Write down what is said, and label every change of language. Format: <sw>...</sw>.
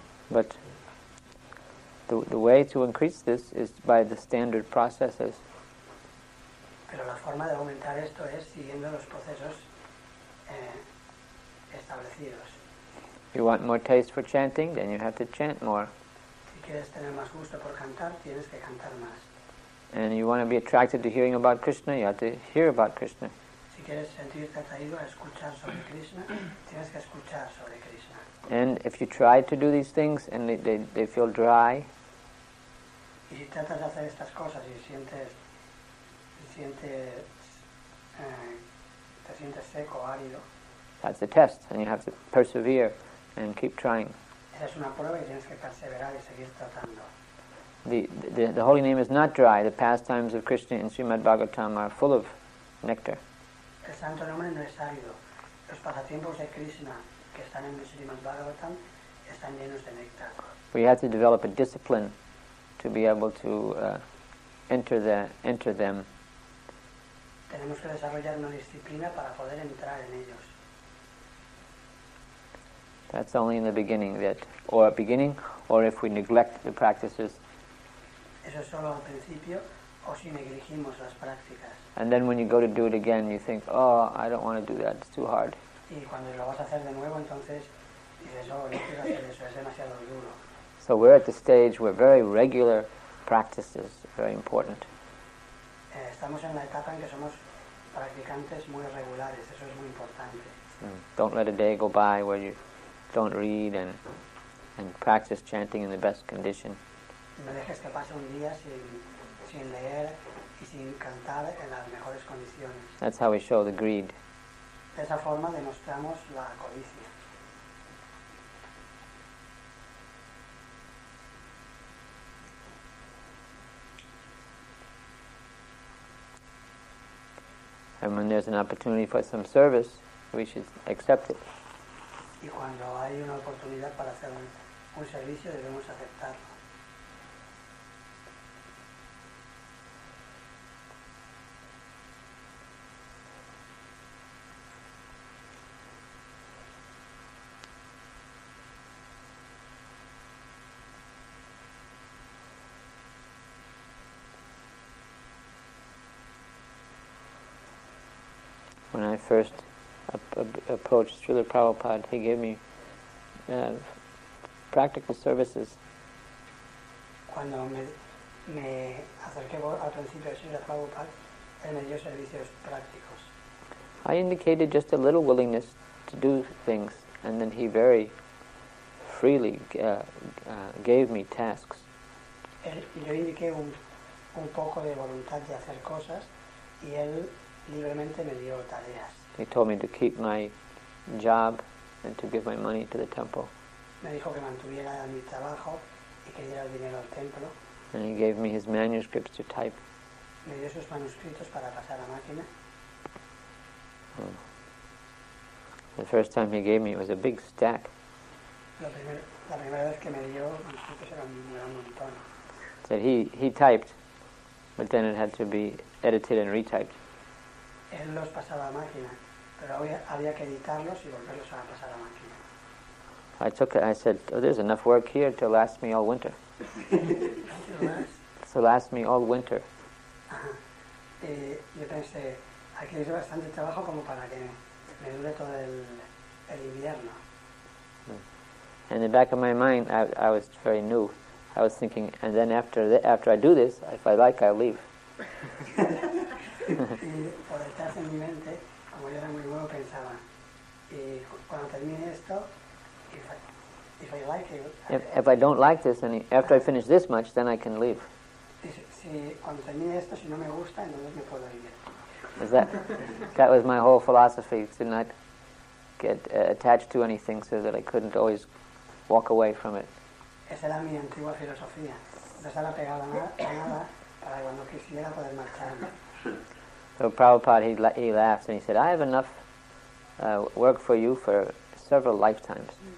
<en>But the way to increase this is by the standard processes.</en> <es>Pero la forma de aumentar esto es siguiendo los procesos establecidos.</es> <en>You want more taste for chanting, then you have to chant more.</en> <es>Si quieres tener más gusto por cantar, tienes que cantar más.</es> <en>And you want to be attracted to hearing about Krishna, you have to hear about Krishna.</en> <es>Si quieres sentirte atraído a escuchar sobre Krishna, tienes que escuchar sobre Krishna.</es> <en>And if you try to do these things and they feel dry,</en> <es>y si tratas de hacer estas cosas y te sientes seco, árido,</es> <en>that's a test, and you have to persevere and keep trying.</en> <es>Esa es una prueba y tienes que perseverar y seguir tratando.</es> <en>The holy name is not dry. The pastimes of Krishna in Srimad Bhagavatam are full of nectar.</en> <es>El santo nombre no es árido. Los pasatiempos de Krishna que están en el Srimad Bhagavatam están llenos de néctar.</es> <en>We have to develop a discipline to be able to enter them.</en> <es>Tenemos que desarrollar una disciplina para poder entrar en ellos.</es> <en>That's only in the beginning, if we neglect the practices.</en> <es>Eso es solo al principio, o si negligimos las prácticas.</es> <en>And then when you go to do it again, you think, oh, I don't want to do that, it's too hard.</en> <es>Y cuando lo vas a hacer de nuevo, entonces, dices, oh, no quiero hacer eso, es demasiado duro.</es> <en>So we're at the stage where very regular practice is very important.</en> <es>Estamos en la etapa en que somos practicantes muy regulares, eso es muy importante.</es> <en>Don't let a day go by where you don't read and practice chanting in the best condition.</en> <es>No dejes que pase un día sin leer y sin cantar en las mejores condiciones.</es> <en>That's how we show the greed.</en> <es>De esa forma demostramos la codicia.</es> <en>And when there's an opportunity for some service, we should accept it.</en> <es>Y cuando hay una oportunidad para hacer un servicio, debemos aceptarlo.</es> <en>When I first approached Srila Prabhupada, he gave me practical services.</en> <es>Cuando me acerqué al principio a Srila Prabhupada, él me dio servicios prácticos.</es> <en>I indicated just a little willingness to do things, and then he very freely gave me tasks.</en> <es>Yo indiqué un poco de voluntad de hacer cosas, y él libremente me dio tareas.</es> <en>He told me to keep my job and to give my money to the temple.</en> <es>Me dijo que mantuviera mi trabajo y que diera el dinero al templo.</es> <en>And he gave me his manuscripts to type.</en> <es>Me dio sus manuscritos para pasar a máquina.</es> <en>The first time he gave me, it was a big stack.</en> <es>La primera vez que me dio manuscritos era un gran montón.</es> <en>Said he typed, but then it had to be edited and retyped.</en> <es>Él los pasaba a máquina, pero había que editarlos y volverlos a pasar a máquina.</es> <en>I said, oh, there's enough work here to last me all winter. To last me all winter.</en> <es>Yo pensé, aquí es bastante trabajo como para que me dure todo el invierno.</es> <en>In the back of my mind, I was very new. I was thinking, and then after I do this, if I like, I'll leave.</en> <es>Por detrás en mi mente, como yo era muy nuevo, pensaba, y cuando termine esto,</es> <en>if I like it, if I don't like this, and after I finish this much, then I can leave.</en> <es>Si cuando termine esto, si no me gusta, entonces me puedo ir.</es> <en>That was my whole philosophy, to not get attached to anything so that I couldn't always walk away from it.</en> <es>Esa era mi antigua filosofía, no estar apegado a nada para cuando quisiera poder marcharme.</es> <en>So Prabhupada, he laughs and he said, I have enough work for you for several lifetimes.</en>